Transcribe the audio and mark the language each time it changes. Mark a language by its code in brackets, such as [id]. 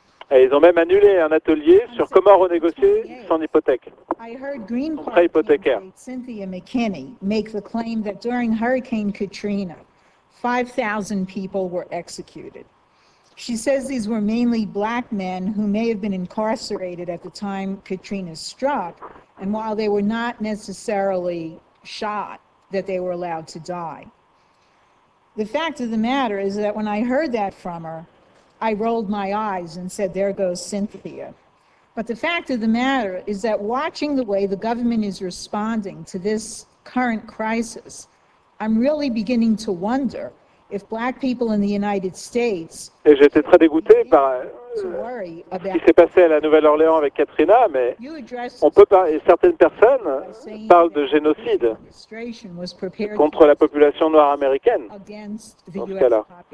[fr] Et ils ont même annulé un atelier sur comment renégocier son hypothèque, son prêt hypothécaire. [en] Cynthia McKinney make the claim that during Hurricane Katrina, 5,000 people were executed. She says these were mainly black men who may have been incarcerated at the time Katrina struck, and while they were not necessarily shot, that they were allowed to die. The fact of the matter is that when I heard that from her, I rolled my eyes and said, there goes Cynthia. But the fact of the matter is that watching the way the government is responding to this current crisis, I'm really beginning to wonder If black people in the United States... [fr] Et j'étais très dégoûté par ce qui s'est passé à la Nouvelle-Orléans avec Katrina, mais on peut parler, certaines personnes parlent de génocide contre la population noire américaine dans ce cas-là.